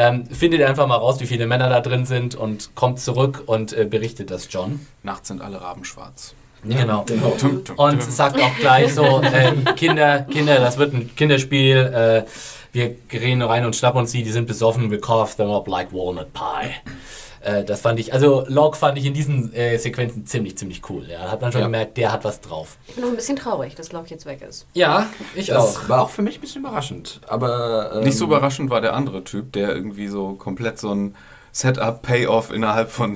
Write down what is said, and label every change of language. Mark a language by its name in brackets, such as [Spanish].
[German] Findet einfach mal raus, wie viele Männer da drin sind und kommt zurück und berichtet das John. Nachts sind alle Raben schwarz. Genau. Und sagt auch gleich so, Kinder, das wird ein Kinderspiel. Wir gehen rein und schnappen uns die sind besoffen. [English] We carve them up like walnut pie. [German] Das fand ich, also Log fand ich in diesen Sequenzen ziemlich, ziemlich cool. Ja. Hat man schon gemerkt, der hat was drauf. Ich bin noch ein bisschen traurig, dass Log jetzt weg ist. Ja, ich das auch. Das war auch für mich ein bisschen überraschend. Aber nicht so überraschend war der andere Typ, der irgendwie so komplett so ein Setup, Payoff innerhalb von...